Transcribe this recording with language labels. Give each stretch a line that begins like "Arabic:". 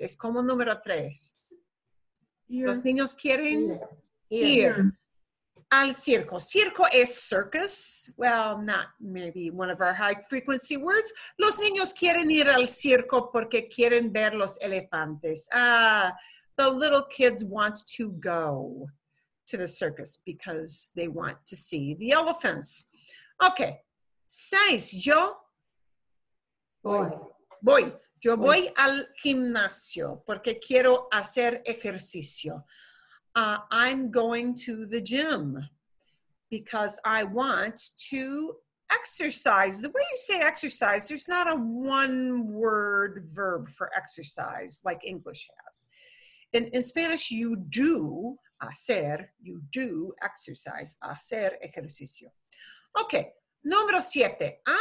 Spanish: Es como número tres. Ir. Los niños quieren ir. al circo. Circo es circus.
English: Well, not maybe one of our high frequency words.
Spanish: Los niños quieren ir al circo porque quieren ver los elefantes.
English: The little kids want to go to the circus because they want to see the elephants.
Spanish: Okay. Seis. Yo voy. Yo voy al gimnasio porque quiero hacer ejercicio.
English: I'm going to the gym because I want to exercise. The way you say exercise, there's not a one-word verb for exercise like English has. In Spanish, you do hacer, you do exercise, hacer ejercicio. Okay.
Spanish: Número siete.